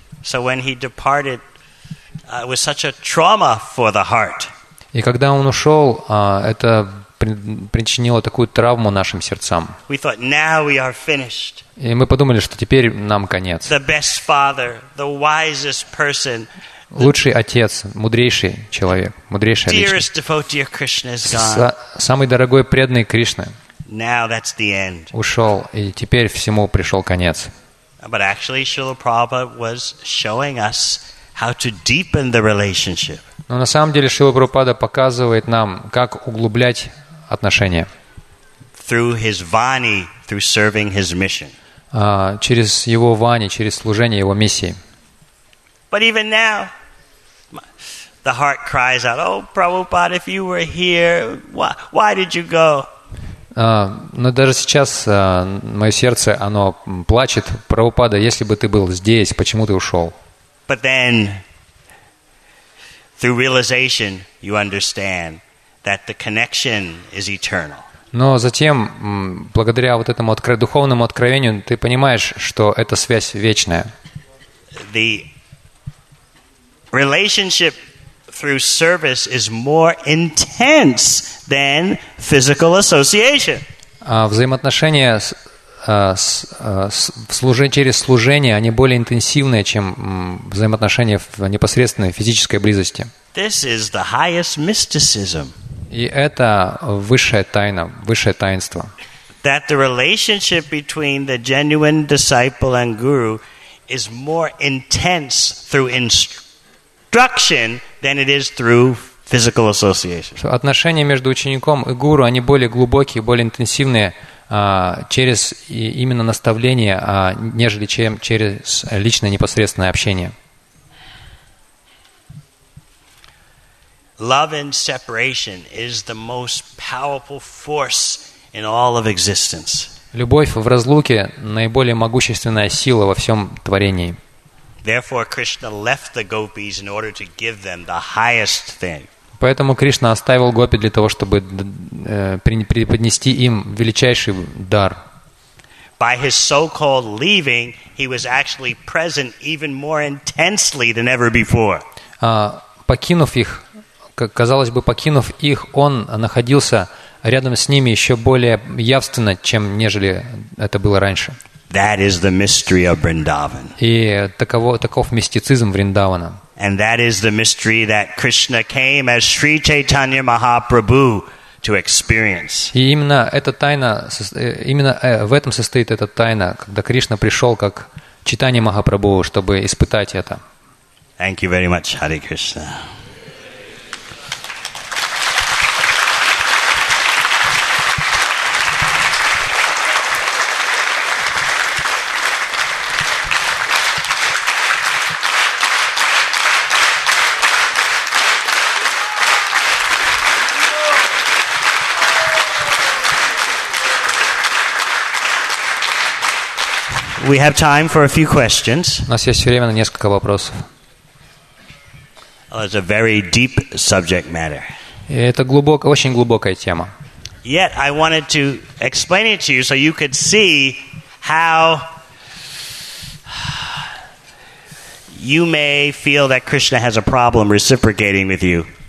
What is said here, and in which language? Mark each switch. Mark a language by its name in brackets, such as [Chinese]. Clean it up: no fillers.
[English] So when he departed, it was such a trauma for the heart. [Russian] И когда он ушел, это причинило такую травму нашим сердцам. [English] We thought, now we are finished. [Russian] И мы подумали, что теперь нам конец. [English] The best father, the wisest person, [Russian] лучший отец, мудрейший человек, мудрейшая личность. [English] Dearest devotee of Krishna is gone. [Russian] Самый дорогой преданный Кришна. [English] Now that's the end. [Russian] Ушел, и теперь всему пришел конец. [English] But actually, Srila Prabhupada was showing us how to deepen the relationship. [Russian] Но на самом деле Шрила Прабхупада показывает нам, как углублять отношения. [English] Through his vani, through serving his mission. [Russian] Через его вани, через служение его миссии. [English] But even now, the heart cries out, "Oh, Prabhupada, if you were here, why did you go?" [Russian] Но даже сейчас мое сердце, оно плачет, Прабхупада, если бы ты был здесь, почему ты ушел? [English] But then, through realization, you understand that the connection is eternal. [Russian] Но затем, благодаря вот этому духовному откровению, ты понимаешь, что эта связь вечная. [English] The relationship through service is more intense than physical association. [Russian] Взаимоотношения через служение, они более интенсивные, чем взаимоотношения в непосредственной физической близости. [English] This is the highest mysticism. [Russian] И это высшая тайна, высшее таинство. [English] That the relationship between the genuine disciple and guru is more intense through instruction than it is through physical association. [Russian] Отношения между учеником и гуру, они более глубокие, более интенсивные через именно наставление, нежели чем через личное непосредственное общение. [English] Love and separation is the most powerful force in all of existence. [Russian] Любовь в разлуке – наиболее могущественная сила во всем творении. [English] Therefore, Krishna left the gopis in order to give them the highest thing. [Russian] Поэтому Кришна оставил гопи для того, чтобы преподнести им величайший дар. [English] By his so-called leaving, he was actually present even more intensely than ever before. [Russian] Покинув их, казалось бы, покинув их, он находился рядом с ними еще более явственно, чем нежели это было раньше. [English] That is the mystery of Vrindavan. [Russian] И таков мистицизм Вриндавана. [English] And that is the mystery that Krishna came as Sri Chaitanya Mahaprabhu to experience. [Russian] И именно эта тайна, именно в этом состоит эта тайна, когда Кришна пришел как Чайтанья Махапрабху, чтобы испытать это. [English] Thank you very much, Hare Krishna. We have time for a few questions. [Russian] У нас есть время на несколько вопросов. [English] It's a very deep subject matter. [Russian] Это глубокая, очень глубокая тема. [English] Yet I wanted to explain it to you so you could see how you may feel that Krishna has a problem reciprocating with you.